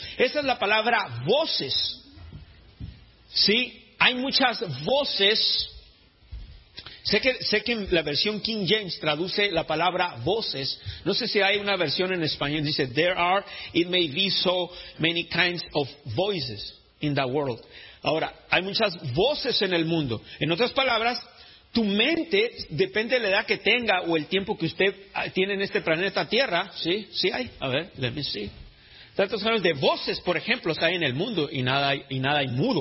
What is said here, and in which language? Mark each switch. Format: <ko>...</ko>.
<es>Esa es la palabra voces. ¿Sí? Hay muchas voces. Sé que en la versión King James traduce la palabra voces. No sé si hay una versión en español. Dice,</es> <en>there are, it may be so many kinds of voices in the world.</en> <es>Ahora, hay muchas voces en el mundo. En otras palabras, tu mente, depende de la edad que tenga o el tiempo que usted tiene en este planeta Tierra. ¿Sí? ¿Sí hay? A ver,</es> <en>let me see.</en> <es>Tantos años de voces, por ejemplo, hay en el mundo y nada hay mudo.</es>